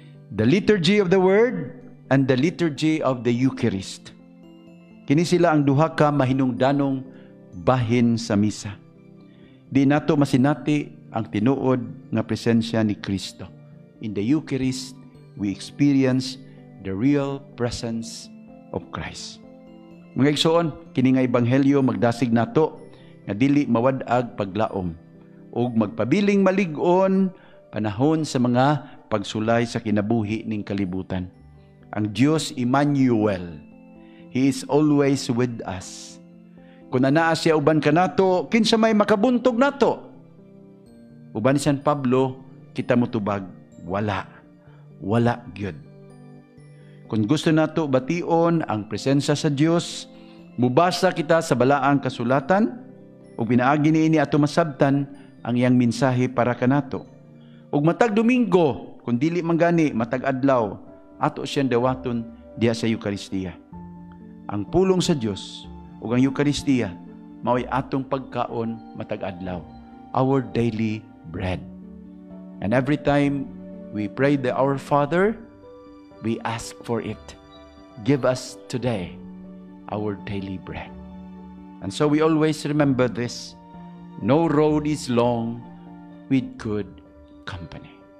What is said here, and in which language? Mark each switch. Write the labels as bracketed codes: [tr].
[en] The liturgy of the word and the liturgy of the Eucharist. [ceb] Kini sila ang duha ka mahinungdanong bahin sa misa. Di nato masinati ang tinuod nga presensya ni Kristo. [en] In the Eucharist, we experience the real presence of Christ. [ceb] Mga igsoon, kini nga ebanghelyo magdasig nato nga dili mawad-ag paglaom ug magpabiling malig-on panahon sa mga pagsulay sa kinabuhi ning kalibutan. Ang Dios Emmanuel, [en] He is always with us. [ceb] Kung anaa siya uban ka nato, kinsa may makabuntog nato? Uban ni San Pablo, kita mutubag, wala. Wala gyud. Kung gusto nato bation ang presensya sa Dios, mubasa kita sa balaang kasulatan ug pinaagi niini ato masabtan ang iyang mensahe para kanato. Ug matag Domingo, kung dili man gani matag adlaw, ato siyang dewaton diha sa Eucharistia. Ang pulong sa Dios ug ang Eucharistia mao'y atong pagkaon matag adlaw, [en] our daily bread. And every time we pray the Our Father, we ask for it. Give us today our daily bread. And so we always remember this, no road is long with good company.